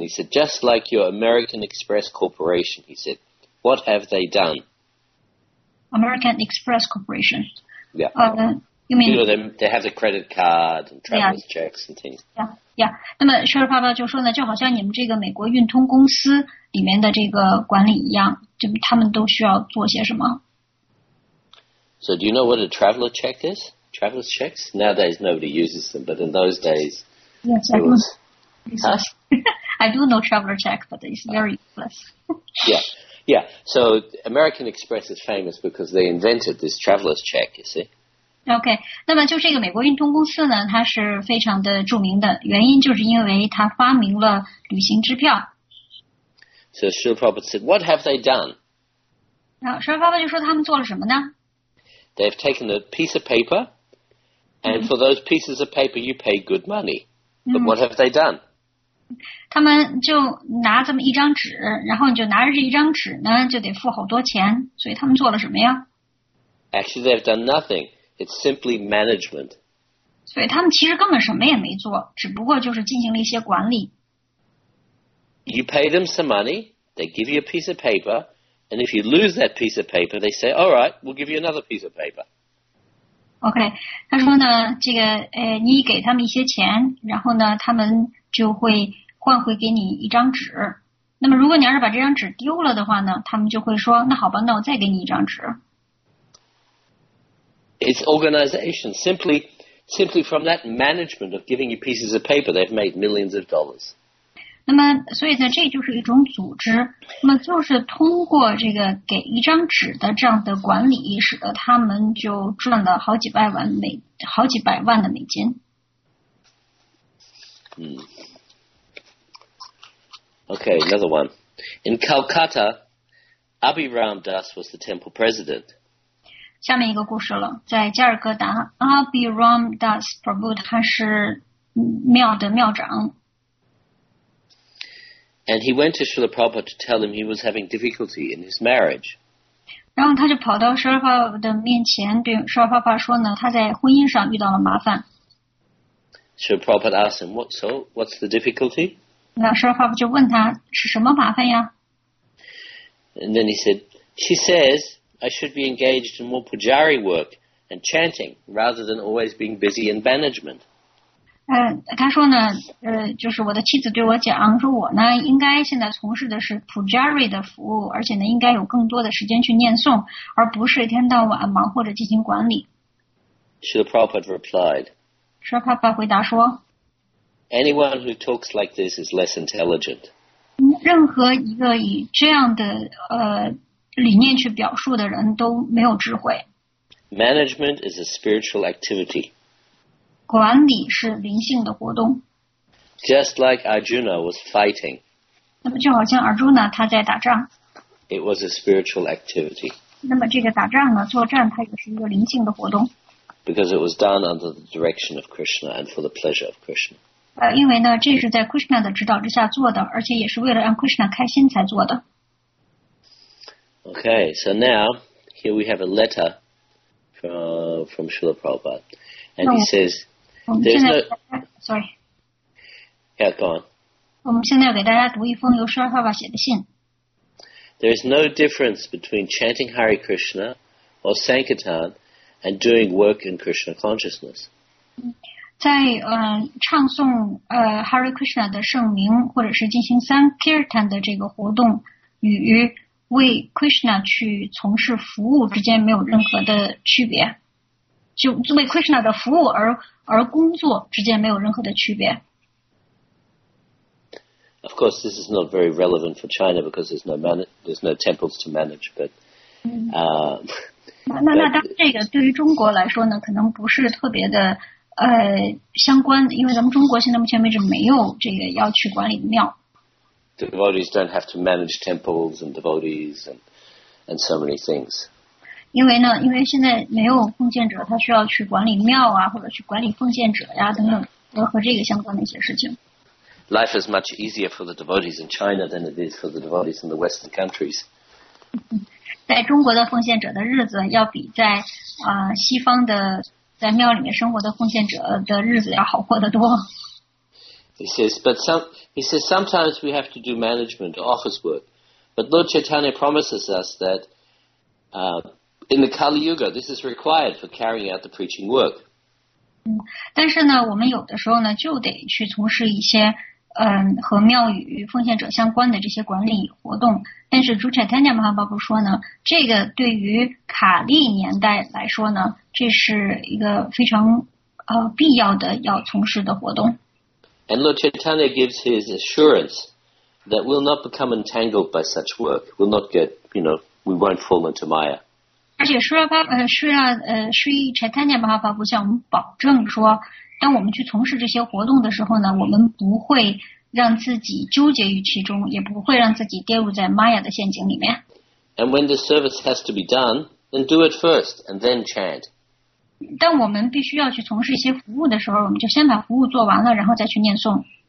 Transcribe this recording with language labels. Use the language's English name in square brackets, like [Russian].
[English] He said, "Just like your American Express Corporation," he said, "What have they done?" American Express Corporation. Yeah. You mean, you know, they have the credit card and travel checks and things. Yeah. [Chinese] 那么 Sherpa 爸爸就说呢，就好像你们这个美国运通公司里面的这个管理一样，就他们都需要做些什么。 [English] So do you know what a traveler check is? Traveler's checks? Nowadays nobody uses them, but in those days, I do know traveler check, but it's very useless. Yeah. So American Express is famous because they invented this traveler's check, you see? Okay. [Chinese] 那么就这个美国运通公司呢，它是非常的著名的，原因就是因为它发明了旅行支票。 [English] So Sherpa Prabhupada said, what have they done? [Chinese] Sherpa Prabhupada 就说他们做了什么呢？ [English] They've taken a piece of paper, and for those pieces of paper, you pay good money. But what have they done? [Chinese] 他们就拿这么一张纸，然后你就拿着这一张纸呢，就得付好多钱。所以他们做了什么呀？ [English] Actually, they've done nothing. It's simply management. [Chinese] 所以他们其实根本什么也没做，只不过就是进行了一些管理。 [English] You pay them some money, they give you a piece of paper,And if you lose that piece of paper, they say, all right, we'll give you another piece of paper. Okay. [Chinese] 他说呢，这个，你给他们一些钱，然后呢，他们就会换回给你一张纸。那么如果你要是把这张纸丢了的话呢，他们就会说，那好吧，那我再给你一张纸。 [English] It's organization. Simply from that management of giving you pieces of paper, they've made millions of dollars. [Chinese] 那么，所以呢，这就是一种组织。那么，就是通过这个给一张纸的这样的管理，使得他们就赚了好几百万美，好几百万的美金。嗯。 [English] Okay, another one. In Calcutta, Abhi Ram Das was the temple president. [Chinese] 下面一个故事了，在加尔各答 ，Abhi Ram Das Prabhu 他是庙的庙长。 [English] And he went to Srila Prabhupada to tell him he was having difficulty in his marriage. [Chinese] 然后他就跑到 Srila Prabhupada 的面前，对 Srila Prabhupada 说呢，他在婚姻上遇到了麻烦。 [English] Srila Prabhupada asked him, what's the difficulty? [Chinese] 那 Srila Prabhupada 就问他，是什么麻烦呀？ [English] And then he said, she says, I should be engaged in more pujari work and chanting rather than always being busy in management. [Chinese] 他说呢，就是我的妻子对我讲，说我呢应该现在从事的是 Pujari 的服务，而且呢应该有更多的时间去念诵，而不是一天到晚忙或者进行管理。 [English] Srila Prabhupada replied. [Chinese] Srila Prabhupada 回答说 [English] ，Anyone who talks like this is less intelligent. [Chinese] 任何一个以这样的理念去表述的人都没有智慧。 [English] Management is a spiritual activity. [Chinese] 管理是灵性的活动。 [English] Just like Arjuna was fighting. [Chinese] 那么就好像 Arjuna 他在打仗。 [English] It was a spiritual activity. [Chinese] 那么这个打仗呢，作战它也是一个灵性的活动。 [English] Because it was done under the direction of Krishna and for the pleasure of Krishna. [Chinese] 因为呢，这是在 Krishna 的指导之下做的，而且也是为了让 Krishna 开心才做的。 [English] Okay, so now here we have a letter from Srila Prabhupada. And he says, There is no difference between chanting Hare Krishna or Sankirtan and doing work in Krishna consciousness. [Chinese] 在唱诵Hare Krishna 的圣名，或者是进行 Sankirtan 的这个活动，与为 Krishna 去从事服务之间没有任何的区别。就为 Krishna 的服务而工作之间没有任何的区别。 [English] Of course, this is not very relevant for China because there's no temples to manage. But [Chinese] 那当然，这个对于中国来说呢，可能不是特别的相关，因为咱们中国现在目前为止没有这个要去管理的庙。 [English] The devotees don't have to manage temples and devotees and so many things. [Chinese] 因为呢，因为现在没有奉献者，他需要去管理庙啊，或者去管理奉献者呀、啊、等等，和这个相关的一些事情。 [English] Life is much easier for the devotees in China than it is for the devotees in the Western countries. [Chinese] 在中国的奉献者的日子要比在西方的在庙里面生活的奉献者的日子要好过得多。 [English] He says, sometimes we have to do management office work, but Lord Chaitanya promises us that. In the Kali Yuga, this is required for carrying out the preaching work. [Chinese] 但是呢，我们有的时候呢，就得去从事一些和庙宇奉献者相关的这些管理活动。但是朱彩丹尼马哈巴布说呢，这个对于卡利年代来说呢，这是一个非常必要的要从事的活动。 [English] And Lord Chaitanya gives his assurance that we'll not become entangled by such work. We'll not get, you know, we won't fall into Maya. [Chinese] 而且Sri Chaitanya Mahaprabhu 向我们保证说，当我们去从事这些活动的时候呢，我们不会让自己纠结于其中，也不会让自己跌入在 Maya 的陷阱里面。 [English] And when the service has to be done, then do it first and then chant. [Chinese] 当我们必须要去从事一些服务的时候，我们就先把服务做完了，然后再去念诵。